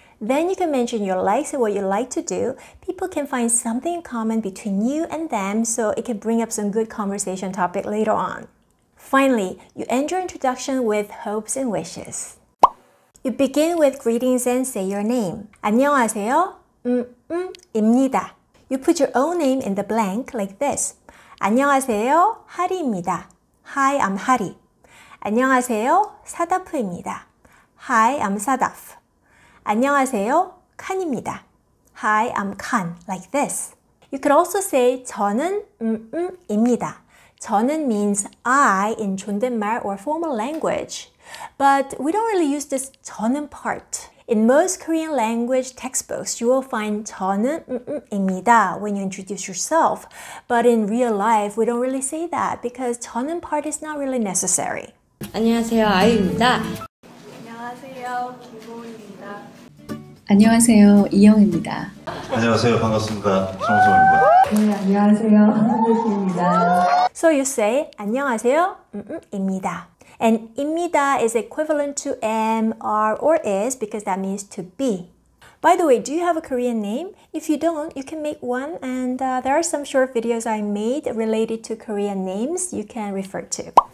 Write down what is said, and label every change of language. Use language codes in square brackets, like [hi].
[en] Then you can mention your likes and what you like to do. People can find something in common between you and them, so it can bring up some good conversation topic later on. Finally, you end your introduction with hopes and wishes. You begin with greetings and say your name. [ko] 안녕하세요. 입니다. [en] You put your own name in the blank like this. [ko] 안녕하세요, 하리입니다. [en] Hi, I'm Hari. [ko] 안녕하세요, 사다프입니다. [en] Hi, I'm Sadaf. [ko] 안녕하세요, 칸입니다. [en] Hi, I'm Khan. Like this. You could also say [ko] 저는 입니다. [en] 저는 means I in 존댓말 or formal language. But we don't really use this 저는 part. In most Korean language textbooks, you will find [ko] 저는 입니다 [en] when you introduce yourself. But in real life, we don't really say that because 저는 part is not really necessary. [ko] 안녕하세요, 아이입니다. 안녕하세요, 김호입니다. 안녕하세요, 이영입니다. 안녕하세요, 반갑습니다. 정소입니다. 안녕하세요, 한준수입니다. [en] So you say [ko] 안녕하세요, 입니다. [en] And 입니다 is equivalent to am, are, or is because that means to be. By the way, do you have a Korean name? If you don't, you can make one and there are some short videos I made related to Korean names you can refer to.